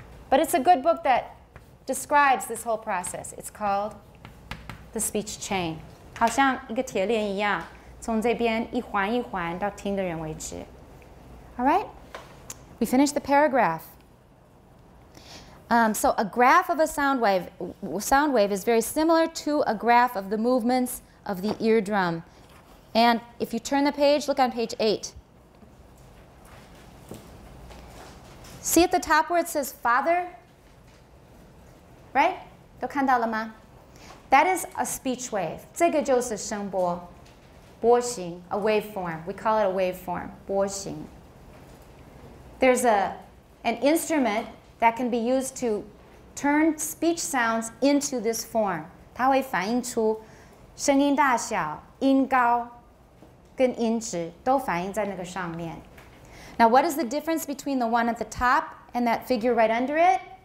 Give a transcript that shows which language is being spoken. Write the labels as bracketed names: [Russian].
[English] But it's a good book that describes this whole process. It's called The Speech Chain. [Chinese] 好像一个铁链一样, 从这边一环一环到听的人为止. [English] All right? We finished the paragraph. So a graph of a sound wave is very similar to a graph of the movements of the eardrum. And if you turn the page, look on page 8. See at the top where it says father? Right? [Chinese] 都看到了吗? [English] That is a speech wave. [Chinese] 这个就是声波,波形, [English] a waveform. We call it a waveform, 波形. There's an instrument that can be used to turn speech sounds into this form. [Chinese] 它会反映出声音大小,音高, 跟音质都反映在那个上面. [English] Now, what is the difference between the one at the top and that figure right under it?